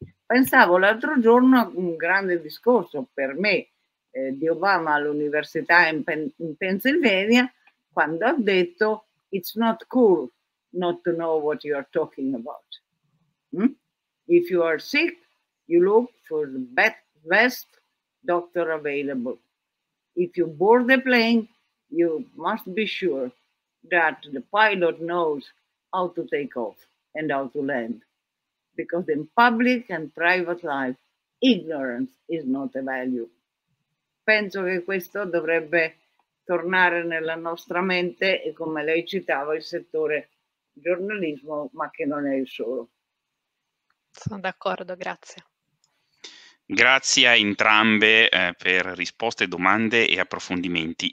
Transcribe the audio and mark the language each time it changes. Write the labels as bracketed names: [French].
[Italian] Pensavo l'altro giorno a un grande discorso per me di Obama all'università in Pennsylvania, quando ha detto [English] it's not cool not to know what you are talking about. If you are sick, you look for the best doctor available. If you board the plane, you must be sure that the pilot knows how to take off and how to land. Because in public and private life, ignorance is not a value. [Italian] Penso che questo dovrebbe tornare nella nostra mente e, come lei citava, il settore giornalismo, ma che non è il solo. Sono d'accordo, grazie. Grazie a entrambe per risposte, domande e approfondimenti.